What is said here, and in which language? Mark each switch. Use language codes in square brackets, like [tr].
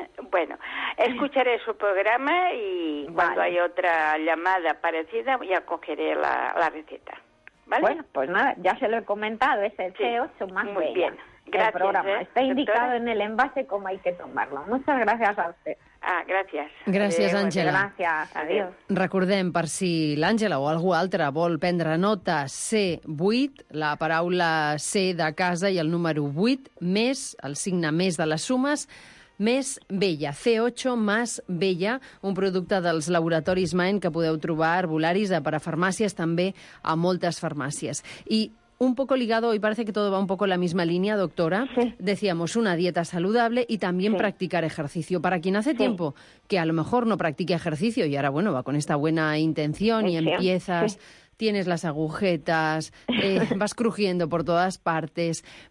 [es] Bueno, escucharé su programa y cuando hay otra llamada parecida ya cogeré la receta. ¿Vale? Bueno, pues nada, ya se lo he comentado, es el C8 más Muy Bella. Muy bien, gracias. El programa está doctora. Indicado en el envase cómo hay que tomarlo. Muchas gracias a usted. [ca] Gràcies, Àngela. Gràcies, [es] adiós. [ca] Recordem, per si l'Àngela o algú altre vol prendre nota, C8, la paraula C de casa i el número 8, més, el signe més de les sumes, més Bella, C8 más Bella, un producte dels laboratoris Maen que podeu trobar a herbolaris, a parafarmàcies, també a moltes farmàcies. [es] I un poco ligado, y parece que todo va un poco en la misma línea, doctora, decíamos una dieta saludable y también practicar ejercicio. Para quien hace tiempo que a lo mejor no practique ejercicio y ahora, bueno, va con esta buena intención y empiezas, tienes las agujetas, vas crujiendo por todas partes.